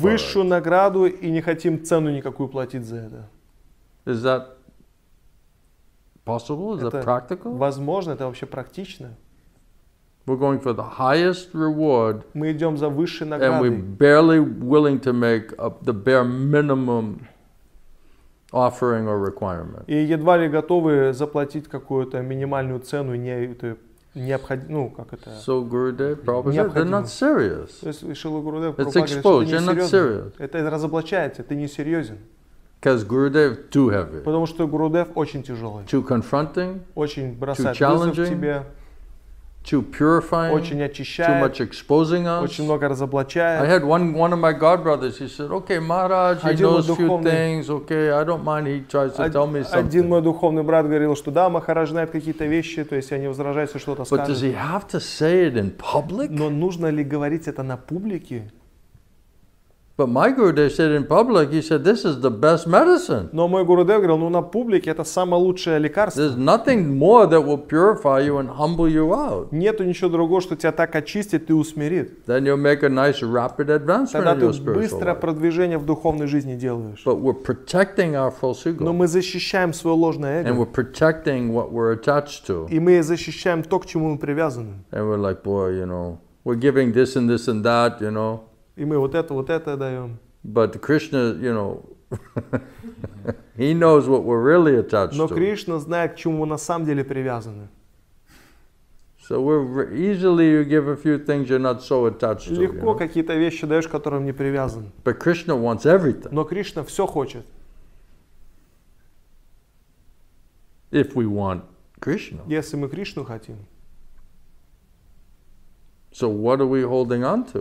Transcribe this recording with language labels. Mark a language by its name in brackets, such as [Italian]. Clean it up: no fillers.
[Russian] Высшую награду и не хотим цену никакую платить за это. [English] Is that possible? Is that practical? [Russian] Возможно, это вообще практично. [English] We're going for the highest reward. [Russian] Мы идем за высшей наградой. [English] And we're barely willing to make the bare minimum offering or requirement. [Russian] И едва ли готовы заплатить какую-то минимальную цену, не это. Ну, как это? [English] So Gurudev, Prabhupada, they're not serious. It's exposed, you're not serious. [Russian] Это разоблачается, ты не серьезен. [English] Because Gurudev too heavy. [Russian] Потому что Гурудев очень тяжелый. [English] Too confronting. [Russian] Очень бросает вызов [English] challenging, [Russian] тебе. [English] Too purifying. [Russian] Очень очищает. [English] Too much exposing us. [Russian] Очень много разоблачает. [English] I had one of my god brothers, he said, okay, Maharaj, he knows a few things, okay, I don't mind, he tries to tell me something. [Russian] Один мой духовный брат говорил, что да, Махарадж знает какие-то вещи, то есть я не возражаю, если что-то скажет. [English] But does he have to say it in public? [Russian] Но нужно ли говорить это на публике? [English] But my Gurudev said in public, he said, this is the best medicine. [Russian] Но мой Гурудев говорил, ну на публике это самое лучшее лекарство. [English] There's nothing more that will purify you and humble you out. [Russian] Нету ничего другого, что тебя так очистит и усмирит. [English] Then you'll make a nice rapid advancement [Russian] Тогда [English] in your spiritual life. [Russian] Тогда ты быстрое продвижение в духовной жизни делаешь. [English] But we're protecting our false ego. [Russian] Но мы защищаем свое ложное эго. [English] And we're protecting what we're attached to. [Russian] И мы защищаем то, к чему мы привязаны. [English] And we're like, boy, you know, we're giving this and this and that, you know. [Russian] И мы вот это даем. [English] But Krishna, you know, he knows what we're really attached to. [Russian] Но Кришна знает, к чему мы на самом деле привязаны. [English] So we're easily you give a few things you're not so attached to. [Russian] Легко какие-то вещи даешь, к которым не привязан. [English] But Krishna wants everything. [Russian] Но Кришна все хочет. [English] If we want Krishna. [Russian] Если мы Кришну хотим. [English] So what are we holding on to?